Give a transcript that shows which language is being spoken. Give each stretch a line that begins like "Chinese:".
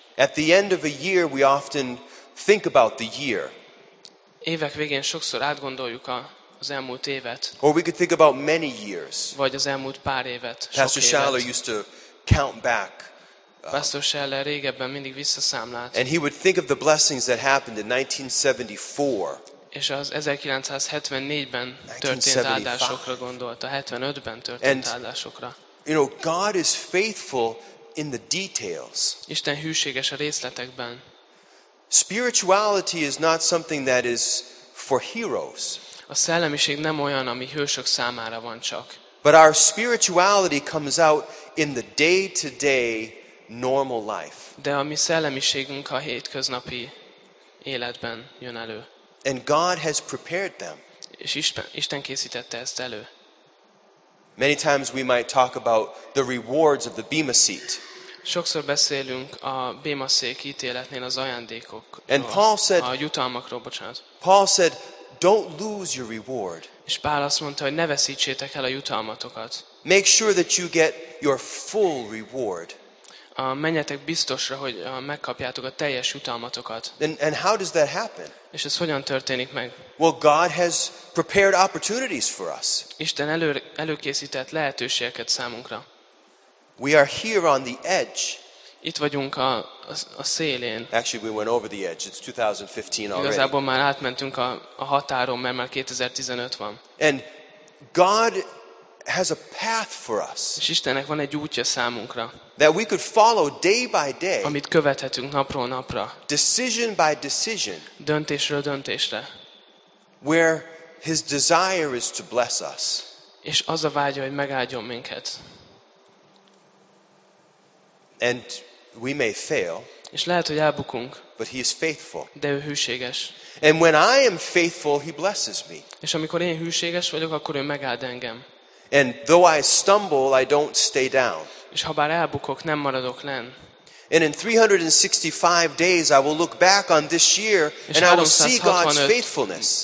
English: At the end of a year, we often think about the year.
Hungarian: Évek végén sokszor átgondoljuk az elmúlt évet.
English: Or we could think about many years.
Hungarian: Vagy az elmúlt pár évet.
English: Pastor Schaller used to count back.
Hungarian: Pastor Schaller régebben mindig visszaszámlált.
English: And he would think of the blessings that happened in 1974.
Hungarian: És az 1974-ben történt áldásokra gondolt, a 75-ben történt áldásokra.
English: You know, God is faithful in the details.
Hungarian: Isten hűséges a részletekben.
English: Spirituality is not something that is for heroes.
Hungarian: A szellemiség nem olyan, ami hősök számára van csak.
English: But our spirituality comes out in the day-to-day normal life.
Hungarian: De a mi szellemiségünk a hétköznapi életben jön elő.
English: And God has prepared them.
Hungarian: És Isten készítette ezt elő.
English: Many times we might talk about the rewards of the Bema seat.
Hungarian: Sokszor beszélünk a Béma szék ítéletnél az ajándékokról.
English: And Paul said,
Hungarian: a jutalmakról, bocsánat.
English: Paul said, don't lose your reward.
Hungarian: És Pál azt mondta, hogy ne veszítsétek el a jutalmatokat.
English: Make sure that you get your full reward.
Hungarian: Menjetek biztosra, hogy megkapjátok a teljes jutalmatokat.
English: And how does that happen?
Hungarian: És ez hogyan történik meg?
English: Well, God has prepared opportunities for us.
Hungarian: Isten előkészített lehetőségeket számunkra.
English: We are here on the edge.
Hungarian: Itt vagyunk a szélén.
English: Actually, we went over the edge. It's 2015 already.
Hungarian: Igazából már átmentünk a határon, mert már 2015 van.
English: And God has a path for us.
Hungarian: És Istennek van egy útja számunkra.
English: That we could follow day by day.
Hungarian: Amit követhetünk napról napra.
English: Decision by decision.
Hungarian: Döntésről döntésre.
English: Where His desire is to bless us.
Hungarian: És az a vágya, hogy megáldjon minket.
English: And we may fail.
Hungarian: És lehet, hogy elbukunk.
English: But He is faithful.
Hungarian: De ő hűséges.
English: And when I am faithful, He blesses me.
Hungarian: És amikor én hűséges vagyok, akkor ő megáld engem.
English: And though I stumble, I don't stay down.
Hungarian: És ha bár elbukok, nem maradok lenn.
English: And in 365 days, I will look back on this year, and I will see God's faithfulness.